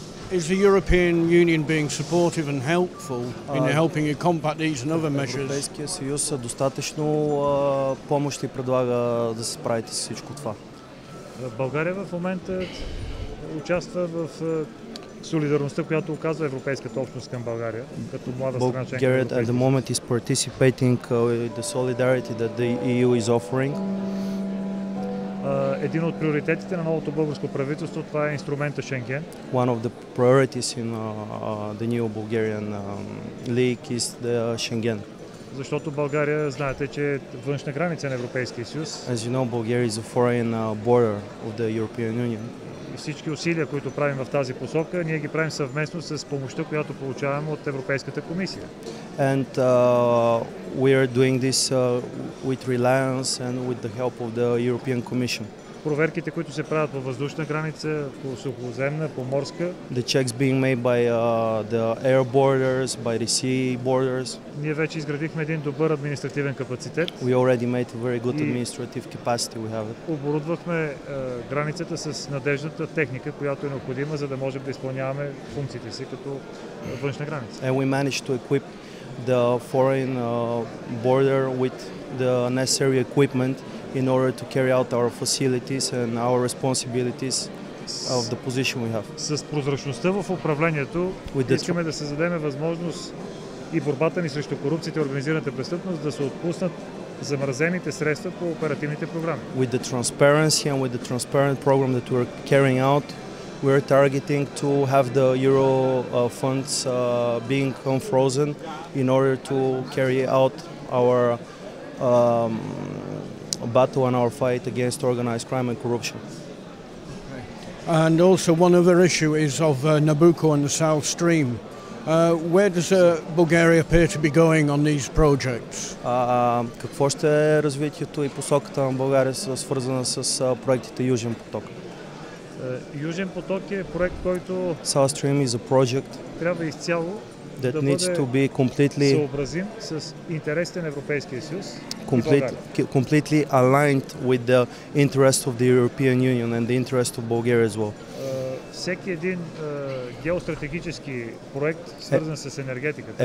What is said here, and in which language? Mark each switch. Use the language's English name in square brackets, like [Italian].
[English] Is the European Union being supportive and helpful in helping you combat these and other measures? [Bulgarian] Европейския съюз достатъчно помощ и предлага да се справите с всичко това. България в момента участва в солидарността, която оказва Европейската общност към България, като млада страна членка. [English] Bulgaria at the moment is participating in the solidarity that the EU is offering. [Bulgarian] Един от приоритетите на новото българско правителство, това е инструмента Шенген. [English] One of the priorities in the new Bulgarian league is the Schengen. [Bulgarian] Защото България, знаете, че е външна граница на Европейския съюз. [English] As you know, Bulgaria is a foreign border of the European Union. [Bulgarian] Всички усилия, които правим в тази посока, ние ги правим съвместно с помощта, която получаваме от Европейската комисия. [English] And we are doing this with reliance and with the help of the European Commission. [Bulgarian] Проверките, които се правят по въздушна граница, по сухоземна, по морска. [English] The checks being made by the air borders, by the sea borders. [Bulgarian] Ние вече изградихме един добър административен капацитет. [English] We already made a very good administrative capacity we have. [Bulgarian] Оборудвахме границата с надеждната техника, която е необходима, за да можем да изпълняваме функциите си като външна граница. [English] And we managed to equip the foreign border with the necessary equipment in order to carry out our facilities and our responsibilities of the position we have. [Bulgarian] С прозрачността в управлението искаме да създадем възможност и борбата ни срещу корупцията и организираната престъпност да се отпуснат замразените средства по оперативните програми. [English] With the transparency and with the transparent program that we are carrying out, we're targeting to have the euro funds being unfrozen in order to carry out our battle and our fight against organized crime and corruption. And also one other issue is of Nabucco and the South Stream. Where does Bulgaria appear to be going on these projects? [Bulgarian] Какво ще е развитието и посоката на България свързана с проектите Южен поток? Южен поток е проект, който [English] South Stream is a project [Bulgarian] трябва изцяло [English] that needs to be completely [Bulgarian] съобразим с интересите на Европейския съюз. [English] Completely aligned with the interests of the European Union and the interests of Bulgaria as well. [Bulgarian] Всеки един геостратегически проект, свързан с енергетиката.